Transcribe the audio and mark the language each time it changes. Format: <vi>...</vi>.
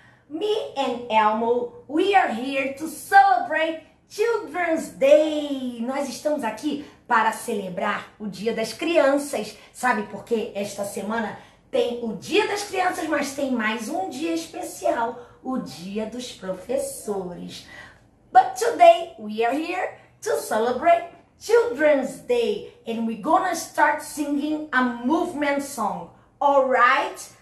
<en>Me and Elmo, we are here to celebrate Children's Day.</en> <pt>Nós estamos aqui para celebrar o Dia das Crianças. Sabe por que esta semana tem o Dia das Crianças, mas tem mais um dia especial, o Dia dos Professores.</pt> <en>But today, we are here to celebrate Children's Day, and we're gonna start singing a movement song, alright?</en>